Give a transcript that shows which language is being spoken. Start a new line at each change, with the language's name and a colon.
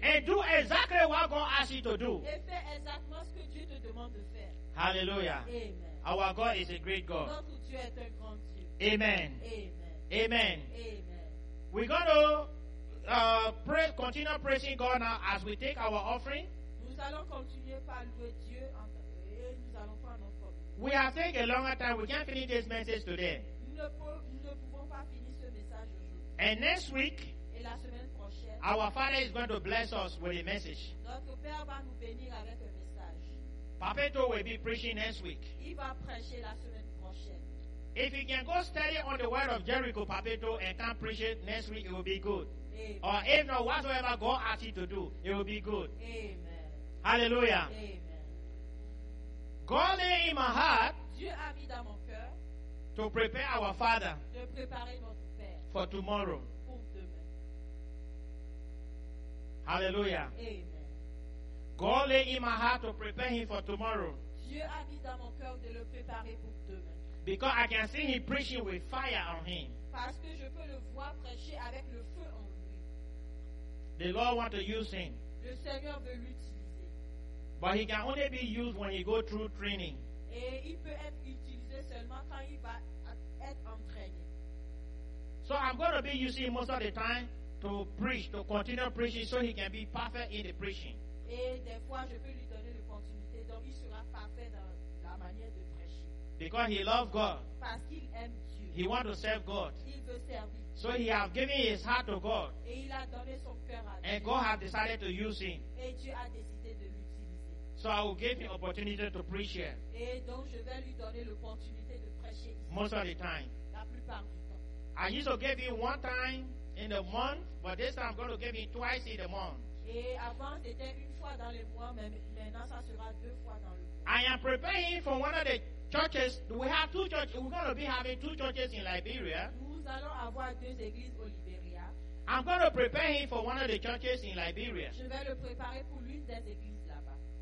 English: And do exactly what God asks you to do.
French: Et fais exactement ce que Dieu te demande de faire. Hallelujah. Amen.
English: Our God is a great God.
French: Notre Dieu est un grand Dieu. Amen. Amen. Amen. Amen.
English: We're going to continue praising God now as we take our offering.
French: Nous allons continuer par louer Dieu et nous allons faire notre offering.
English: We have taken a longer time. We can't finish this message today.
French: Nous ne pouvons pas finir ce message aujourd'hui.
English: And next week,
French: et la semaine prochaine,
English: our Father is going to bless us with a message.
French: Notre Père va nous bénir avec un message.
English: Papeto will be preaching next week.
French: Il va prêcher la semaine prochaine.
English: If you can go study on the word of Jericho, Papeto, and can preach it next week, it will be good. Amen. Or if not, whatsoever God asks you to do, it will be good. Amen. Hallelujah. Amen. God lay in my heart,
French: Dieu a mis dans mon cœur,
English: to prepare our Father,
French: de préparer notre Père,
English: for tomorrow.
French: Pour demain. Hallelujah. Amen.
English: God lay in my heart to prepare him for tomorrow.
French: Dieu a mis dans mon cœur de le préparer pour demain.
English: Because I can see him preaching with fire on him.
French: Parce que je peux le voir prêcher avec le feu en lui.
English: The Lord wants to use him.
French: Le Seigneur veut l'utiliser.
English: But he can only be used when he goes through training.
French: Et il peut être utilisé seulement quand il va être entraîné.
English: So I'm going to be using him most of the time to preach, to continue preaching, so he can be perfect in the preaching.
French: Et des fois, je peux lui donner l'opportunité, donc il sera parfait dans la manière de prêcher.
English: Because he loves God.
French: Parce qu'il aime Dieu.
English: He wants to serve God.
French: Il veut servir.
English: So he has given his heart to God.
French: Et il a donné son cœur à Dieu.
English: And God has decided to use him.
French: Et Dieu a décidé de l'utiliser.
English: So I will give him opportunity to preach here.
French: Et donc je vais lui donner l'opportunité de prêcher ici.
English: Most of the time.
French: La plupart du temps.
English: I used to give him one time in the month, but this time I'm going to give him twice in the month.
French: Et avant c'était une fois dans le mois, mais maintenant ça sera deux fois dans le mois.
English: I am preparing for one of the churches. We have two churches. We're going to be having two churches in Liberia.
French: Nous allons avoir deux églises au Liberia.
English: I'm going to prepare him for one of the churches in Liberia.
French: Je vais le préparer pour l'une des églises là-bas.